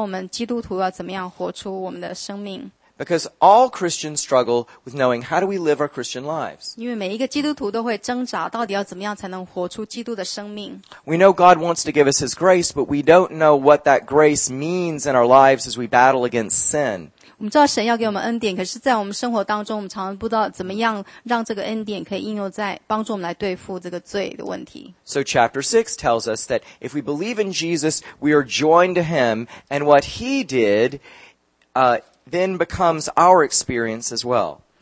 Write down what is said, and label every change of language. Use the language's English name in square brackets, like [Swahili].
[Chinese] 把第一章到第六章读过，因为罗马书第六章大概是全圣经当中最重要的一章哦，教我们基督徒要怎么样活出我们的生命。 [English] Because all Christians struggle with knowing how do we live our Christian lives. [Chinese] 因为每一个基督徒都会挣扎，到底要怎么样才能活出基督的生命。 [English] We know God wants to give us His grace, but we don't know what that grace means in our lives as we battle against sin. [Chinese] 我们知道神要给我们恩典，可是在我们生活当中，我们常常不知道怎么样让这个恩典可以应用在帮助我们来对付这个罪的问题。 [English] So chapter 6 tells us that if we believe in Jesus, we are joined to Him, and what He did, then becomes our experience as well.